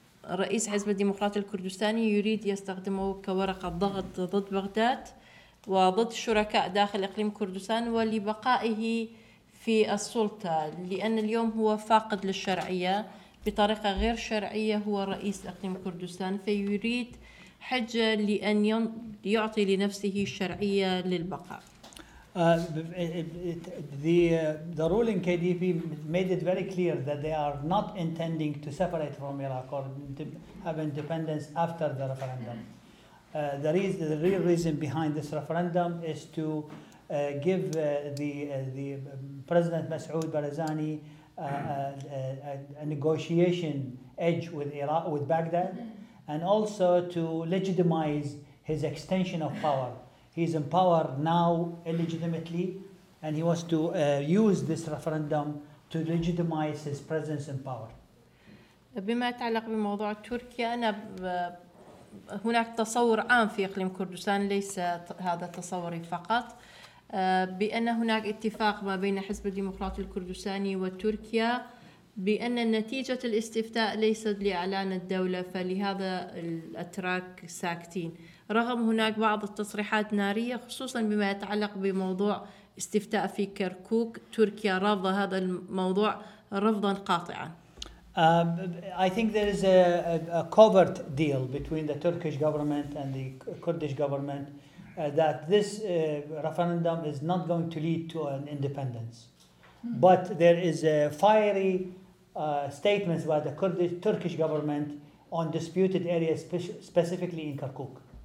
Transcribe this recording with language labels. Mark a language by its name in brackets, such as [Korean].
[Arabic] رئيس حزب الديمقراط الكردستاني يريد يستخدمه كورقة ضغط ضد بغداد وضد الشركاء داخل إقليم كردستان ولبقائه في السلطة، لأن اليوم هو فاقد للشرعية بطريقة غير شرعية، هو رئيس إقليم كردستان، فيريد حجة لأن يعطي لنفسه الشرعية للبقاء. [English] The ruling KDP made it very clear that they are not intending to separate from Iraq or have independence after the referendum. The real reason behind this referendum is to give the President Masoud Barzani a negotiation edge with Iraq, with Baghdad, and also to legitimize his extension of power. He's in power now illegitimately, and he wants to use this referendum to legitimize his presence in power. [Arabic] بما يتعلق بموضوع تركيا، أنا هناك تصور عام في إقليم كردستان، ليس هذا تصوري فقط، بأن هناك اتفاق ما بين حزب الديمقراطي الكردستاني وتركيا بأن نتيجة الاستفتاء ليست لإعلان الدولة، فلهذا الأتراك ساكتين، رغم هناك بعض التصريحات نارية خصوصا بما يتعلق بموضوع استفتاء في كركوك. تركيا رفض هذا الموضوع رفضا قاطعا. [English] I think there is a covert deal between the Turkish government and the Kurdish government that this referendum is not going to lead to an independence. But there is a fiery statements by the Kurdish Turkish government on disputed areas, specifically in Kirkuk.